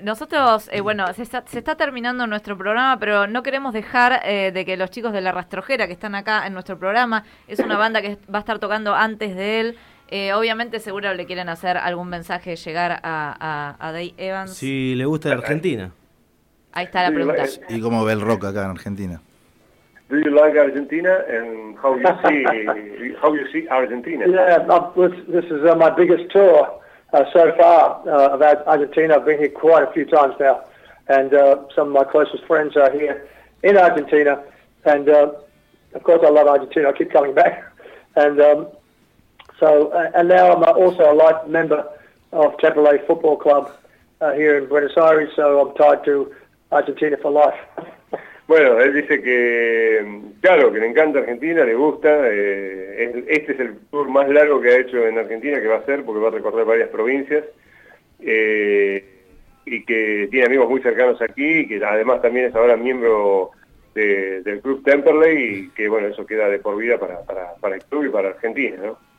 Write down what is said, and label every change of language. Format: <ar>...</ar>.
<es>Nosotros, se está terminando nuestro programa, pero no queremos dejar de que los chicos de La Rastrojera, que están acá en nuestro programa, es una banda que va a estar tocando antes de él. Obviamente, seguro le quieren hacer algún mensaje, llegar a Dave Evans. Si le gusta la Argentina. Ahí está la pregunta. ¿Y cómo ve el rock acá en Argentina?</es> <en>Do you like Argentina and how you see Argentina? This is my biggest tour. So far, about Argentina, I've been here quite a few times now, and some of my closest friends are here in Argentina, and of course I love Argentina, I keep coming back, and and now I'm also a life member of Temple A Football Club here in Buenos Aires, so I'm tied to Argentina for life.</en> <es>Bueno, él dice que, claro, que le encanta Argentina, le gusta. Este es el tour más largo que ha hecho en Argentina, que va a hacer, porque va a recorrer varias provincias. Y que tiene amigos muy cercanos aquí, y que además también es ahora miembro del Club Temperley, y que, bueno, eso queda de por vida para el club y para Argentina, ¿no?</es>